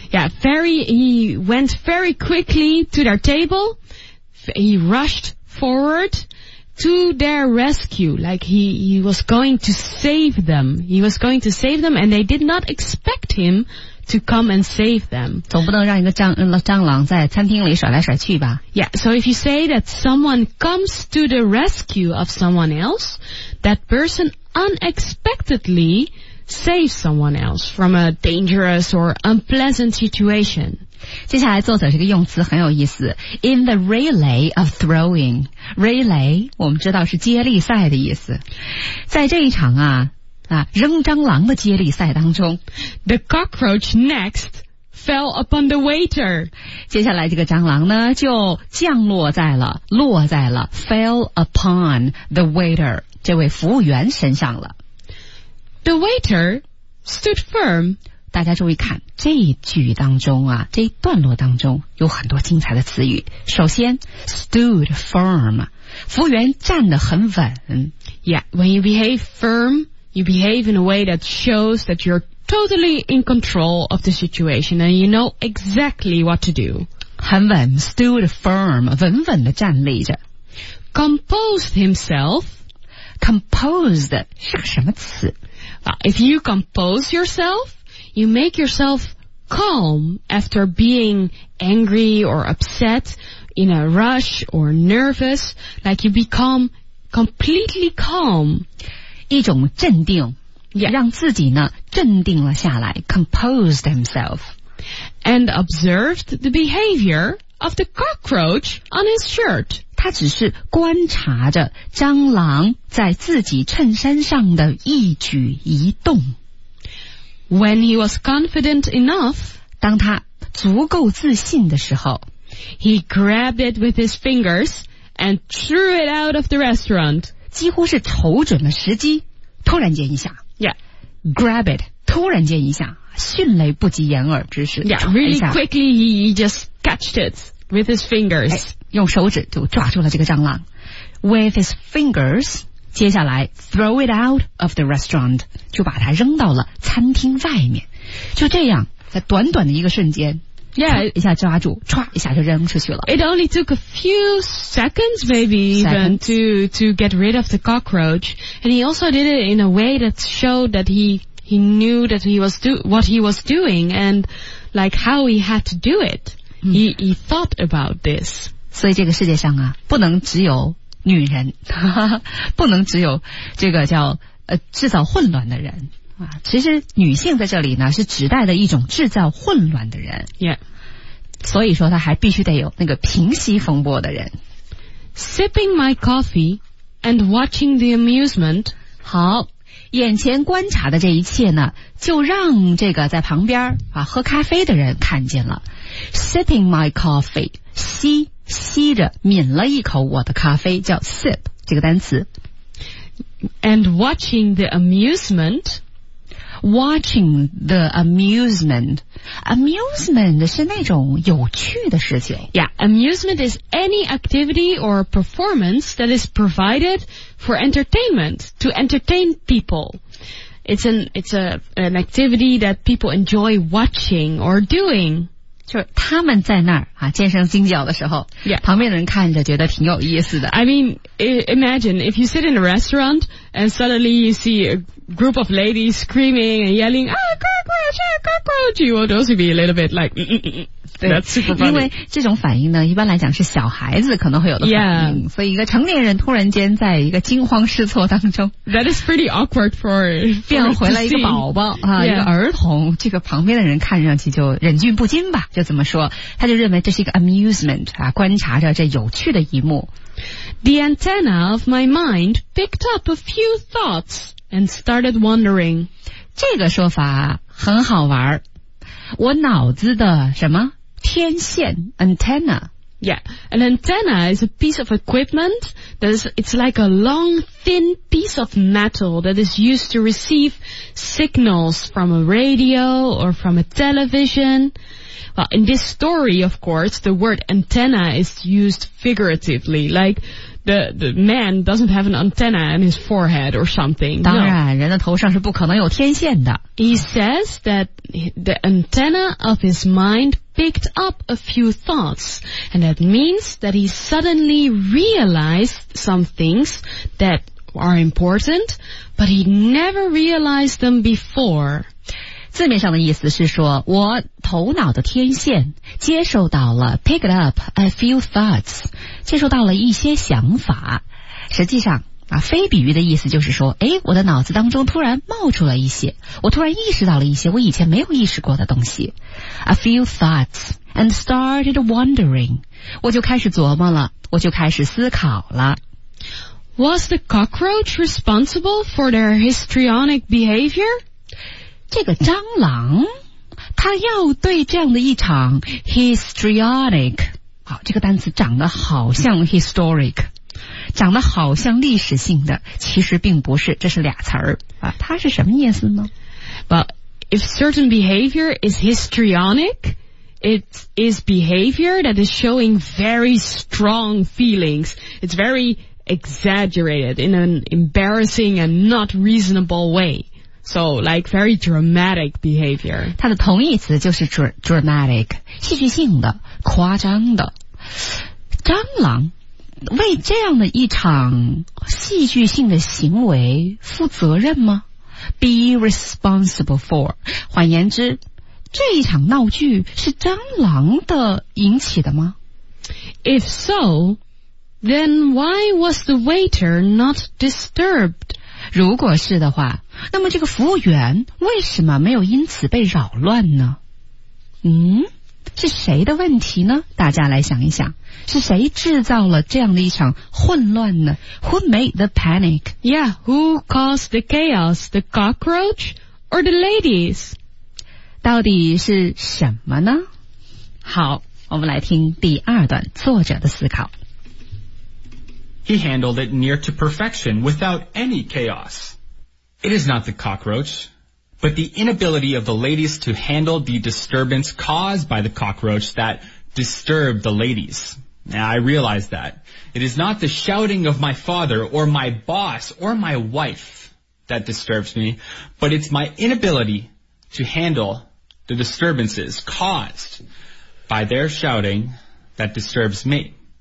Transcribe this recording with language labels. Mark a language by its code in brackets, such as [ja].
[en] Yeah, he went very quickly to their table. He rushed forward to their rescue, like he was going to save them. He was going to save them, and they did not expect him. To come and save them. [zh] 总不能让一个蟑螂在餐厅里甩来甩去吧。 [en] Yeah, so if you say that someone comes to the rescue of someone else, that person unexpectedly saves someone else from a dangerous or unpleasant situation. [zh] 接下来作者这个用词很有意思。 [en] In the relay of throwing. [zh] Relay, 我们知道是接力赛的意思。在这一场啊扔蟑螂的接力赛当中 [en] The cockroach next fell upon the waiter. [zh] 接下来这个蟑螂呢就降落在了落在了 [en] fell upon the waiter [zh] 这位服务员身上了。 [en] The waiter stood firm. [zh] 大家注意看这一句当中啊这一段落当中有很多精彩的词语。首先 [en] stood firm, [zh] 服务员站得很稳。 [en] Yeah, when you behave firmYou behave in a way that shows that you're totally in control of the situation and you know exactly what to do. [zh] 很稳 , [en] stood firm, [zh] 稳稳地站立着。 [en] Composed himself. [zh] Composed 是个什么词 [en] If you compose yourself, you make yourself calm after being angry or upset, in a rush or nervous, like you become completely calm. [zh] 一种镇定、 [en] yeah. [zh] 让自己呢镇定了下来 [en] composed himself. And observed the behavior of the cockroach on his shirt. [zh] 他只是观察着蟑螂在自己衬衫上的一举一动。 [en] When he was confident enough, [zh] 当他足够自信的时候， [en] He grabbed it with his fingers and threw it out of the restaurant. [zh] 几乎是瞅准了时机，突然间一下。 [en] Yeah. Grab it. [zh] 突然间一下，迅雷不及掩耳之势。 [en] Yeah, really quickly he just catched it with his fingers.、 [zh] 哎、用手指就抓住了这个蟑螂。 [en] With his fingers, [zh] 接下来 [en] throw it out of the restaurant, [zh] 就把它扔到了餐厅外面。就这样，在短短的一个瞬间， [en] Yeah, [zh] 一下抓住，唰一下就扔出去了。 [en] It only took a few seconds, maybe even to get rid of the cockroach, and he also did it in a way that showed that he knew that he was what he was doing and like how he had to do it.、嗯、he thought about this. [zh] 所以这个世界上啊，不能只有女人，不能只有这个叫制造混乱的人。其实女性在这里呢是指代的一种制造混乱的人、 [en] yeah. [zh] 所以说她还必须得有那个平息风波的人 [en] Sipping my coffee and watching the amusement [zh] 好眼前观察的这一切呢就让这个在旁边、啊、喝咖啡的人看见了 [en] Sipping my coffee [zh] 吸着抿了一口我的咖啡叫 sip 这个单词 [en] And watching the amusement Watching the amusement. [zh] Amusement 是那种有趣的事情。 [en] Yeah, amusement is any activity or performance that is provided for entertainment, to entertain people. It's an activity that people enjoy watching or doing. [zh] 就是他们在那儿啊，尖声尖叫的时候、 [en] yeah. [zh] 旁边的人看着觉得挺有意思的。 [en] I mean, imagine if you sit in a restaurant and suddenly you see a group of ladies screaming and yelling, ah, cockroach, ah, cockroach, you would also be a little bit like, that's super funny. [zh] 因为这种反应呢一般来讲是小孩子可能会有的反应、 [en] yeah. [zh] 所以一个成年人突然间在一个惊慌失措当中 [en] That is pretty awkward for [zh] 变回来一个宝宝、啊 [en] yeah. [zh] 一个儿童这个旁边的人看上去就忍俊不禁吧就这么说他就认为这是一个 amusement、啊、观察着这有趣的一幕 [en] The antenna of my mind picked up a few thoughts and started wondering [zh] 这个说法很好玩我脑子的什么天线 antenna [en] yeah an antenna is a piece of equipment that is it's like a long thin piece of metal that is used to receive signals from a radio or from a television well in this story of course the word antenna is used figuratively like the man doesn't have an antenna in his forehead or something [zh] 当然、 [en] no. [zh] 人的头上是不可能有天线的 [en] he says that the antenna of his mindPicked up a few thoughts, and that means that he suddenly realized some things that are important, but he never realized them before. [zh] 字面上的意思是说，我头脑的天线接受到了 [en] picked up a few thoughts, [zh] 接受到了一些想法。实际上，啊，非比喻的意思就是说，哎，我的脑子当中突然冒出了一些，我突然意识到了一些我以前没有意识过的东西。 [en] A few thoughts and started wondering. [zh] 我就开始琢磨了，我就开始思考了。 [en] Was the cockroach responsible for their histrionic behavior? [zh] 这个蟑螂，它要对这样的一场 histrionic， 好，这个单词长得好像 historic。长得好像历史性的其实并不是这是俩词儿、啊、它是什么意思呢 [en] Well, if certain behavior is histrionic it is behavior that is showing very strong feelings it's very exaggerated in an embarrassing and not reasonable way so like very dramatic behavior [zh] 它的同义词就是 dramatic 戏剧性的夸张的蟑螂为这样的一场戏剧性的行为负责任吗？ [en] be responsible for. [zh] 换言之，这一场闹剧是蟑螂的引起的吗？ [en] If so, then why was the waiter not disturbed? [zh] 如果是的话，那么这个服务员为什么没有因此被扰乱呢？是谁的问题呢？大家来想一想，是谁制造了这样的一场混乱呢？ [en] Who made the panic? Yeah, who caused the chaos? The cockroach or the ladies? [zh] 到底是什么呢？好，我们来听第二段作者的思考。 [en] He handled it near to perfection without any chaos. It is not the cockroach. But the inability of the ladies to handle the disturbance caused by the cockroach that disturbed the ladies. Now, I realize that. It is not the shouting of my father or my boss or my wife that disturbs me, but it's my inability to handle the disturbances caused by their shouting that disturbs me.